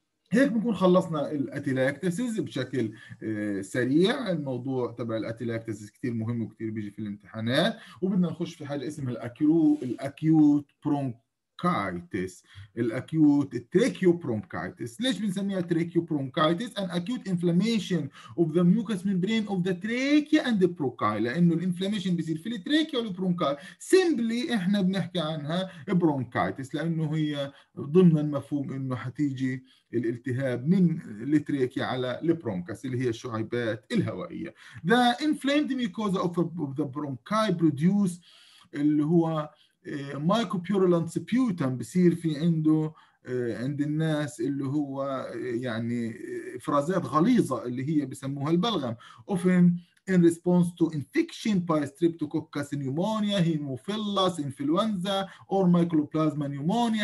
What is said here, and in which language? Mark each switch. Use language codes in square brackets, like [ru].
[ar] هيك بنكون خلصنا الاتيلاكتسيز بشكل سريع. الموضوع تبع الاتيلاكتسيز كتير مهم وكتير بيجي في الامتحانات، وبدنا نخش في حاجة اسمها الأكيوت برونكايتس. [en] الأكيوت tracheobronchitis. [ar] ليش بنسميها [en] Tracheobronchitis? An acute inflammation of the mucous membrane of the trachea and the bronchi. [ar] لأنه الانفلاميشن بيصير في التريكيا والبرونكاي. سيمبلي احنا بنحكي عنها برونكايتس لأنه هي ضمن المفهوم انه حتيجي الالتهاب من التريكيا على البرونكاس اللي هي الشعيبات الهوائية. [en] The inflamed mucosa of the bronchi produce [ar] اللي هو [en] Mucopurulent sputum. [ar] بصير في عنده عند الناس اللي هو يعني افرازات غليظه اللي هي بسموها البلغم. [en] Often in response to infection by Streptococcus pneumoniae Haemophilus influenzae or Mycoplasma pneumoniae.